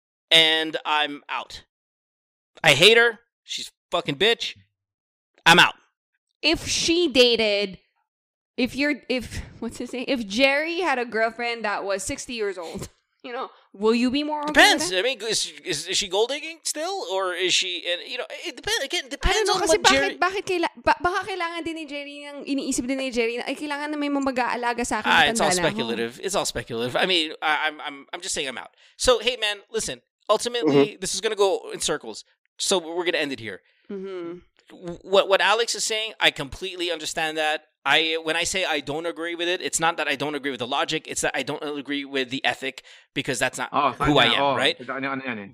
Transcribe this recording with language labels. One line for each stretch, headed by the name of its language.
English: And I'm out. I hate her. She's a fucking bitch. I'm out. If she dated, if Jerry had a girlfriend that was 60 years old, you know, will you be more okay? Depends. I mean, is she gold digging still? Or is she, you know, it depends. Again, it depends on what Jerry...
Filipino: Baka kailangan din ni Jerry ng iniisip din ni Jerry ay kailangan na may mag-aalaga sa akin.
English: It's all speculative. It's all speculative. I mean, I'm just saying I'm out. So, hey man, listen, ultimately, mm-hmm. this is going to go in circles. So we're going to end it here. Mm-hmm. What Alex is saying, I completely understand that. When I say I don't agree with it, it's not that I don't agree with the logic. It's that I don't agree with the ethic because that's not who I am, right?